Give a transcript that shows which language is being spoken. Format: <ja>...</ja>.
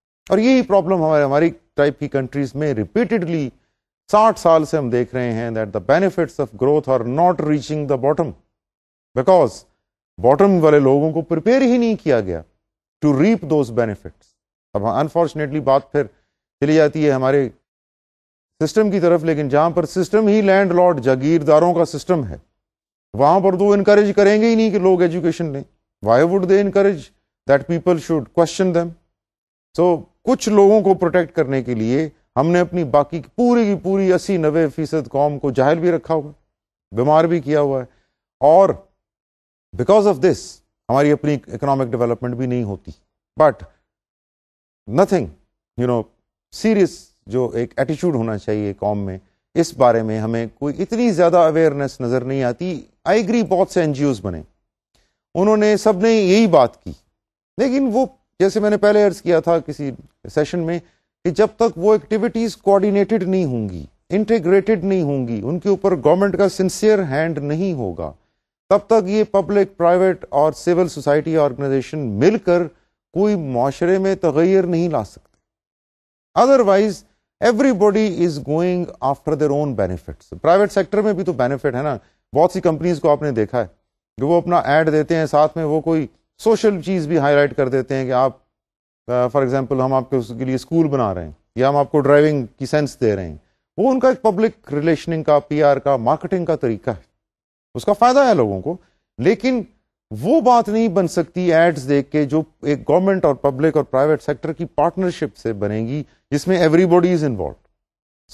<ur>اور یہی پرابلم ہماری ٹائپ کی کنٹریز میں ریپیٹڈلی 60 سال سے ہم دیکھ رہے ہیں</ur> <en>that the benefits of growth are not reaching the bottom because</en> <ur>bottom والے لوگوں کو پریپیئر ہی نہیں کیا گیا</ur> <en>To reap those benefits.</en> <ur>اب انفارچونیٹلی بات پھر چلی جاتی ہے ہمارے سسٹم کی طرف, لیکن جہاں پر سسٹم ہی لینڈ لارڈ جاگیرداروں کا سسٹم ہے وہاں پر تو انکریج کریں گے ہی نہیں کہ لوگ ایجوکیشن لیں.</ur> <en>Why would they encourage that people should question them.</en> <ur>سو کچھ لوگوں کو پروٹیکٹ کرنے کے لیے ہم نے اپنی باقی پوری کی پوری 80-90% قوم کو جاہل بھی رکھا ہوا, بیمار بھی کیا ہوا ہے, اور</ur> <en>because of this</en> <ur>ہماری اپنی اکنامک ڈیولپمنٹ بھی نہیں ہوتی.</ur> <en>but nothing you know serious</en> <ur>جو ایک ایٹیچیوڈ ہونا چاہیے قوم میں اس بارے میں ہمیں کوئی اتنی زیادہ اویئرنیس نظر نہیں آتی. آئی اگری بہت سے این جی اوز بنے, انہوں نے سب نے یہی بات کی, لیکن وہ جیسے میں نے پہلے عرض کیا تھا کسی سیشن میں کہ جب تک وہ ایکٹیویٹیز کوآرڈینیٹڈ نہیں ہوں گی, انٹیگریٹڈ نہیں ہوں گی, ان کے اوپر گورنمنٹ کا سنسیئر ہینڈ نہیں ہوگا, تب تک یہ پبلک پرائیویٹ اور سول سوسائٹی آرگنائزیشن مل کر کوئی معاشرے میں تغیر نہیں لا سکتے.</ur> <en>Otherwise everybody is going after their own benefits.</en> <ur>Private sector میں بھی تو benefit ہے نا, بہت سی companies کو آپ نے دیکھا ہے کہ وہ اپنا ایڈ دیتے ہیں, ساتھ میں وہ کوئی سوشل چیز بھی ہائی لائٹ کر دیتے ہیں کہ آپ</ur> <en>for example</en> <ur>ہم آپ کے اس کے لیے اسکول بنا رہے ہیں یا ہم آپ کو ڈرائیونگ کی سینس دے رہے ہیں. وہ ان کا ایک پبلک ریلیشننگ کا, پی آر کا, مارکیٹنگ کا طریقہ ہے, اس کا فائدہ ہے لوگوں کو, لیکن وہ بات نہیں بن سکتی ایڈز دیکھ کے جو ایک گورنمنٹ اور پبلک اور پرائیویٹ سیکٹر کی پارٹنرشپ سے بنے گی جس میں</ur> <en>Everybody is involved.</en>